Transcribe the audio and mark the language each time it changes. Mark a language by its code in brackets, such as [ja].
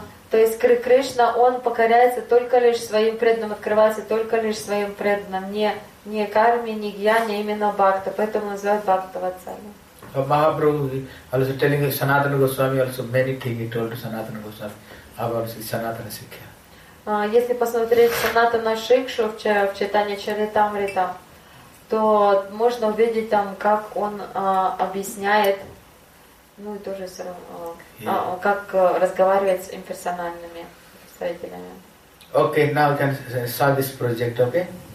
[ru] То есть Кришна, он покоряется только лишь своим преданным, открывается только лишь своим преданным. Не карми, не гьяни, а именно бхакта. Поэтому называют бхактава царя. [en] So Mahaprabhu also telling Sanatana Goswami also many things he told to Sanatana Goswami about Sanatana Sikhya. [ru] Если посмотреть Sanatana Shikshu в читании Чаритамрита, то можно увидеть там, как он объясняет, ну и тоже все равно, как разговаривает с имперсональными представителями. [en] Okay, now we can start this project, okay?